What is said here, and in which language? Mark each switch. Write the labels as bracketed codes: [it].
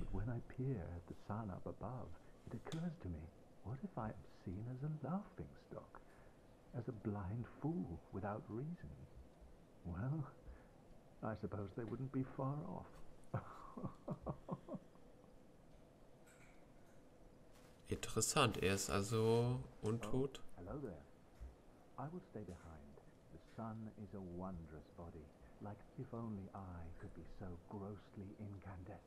[en] But when I peer at the sun up above, it occurs to me, what if I am seen as a laughingstock? As a blind fool without reason? Well, I suppose they wouldn't be far off. [de] Interessant, er ist also untot. [en] Oh, hello there. I will stay behind. The sun is a wondrous body, like if only I could be so grossly incandescent.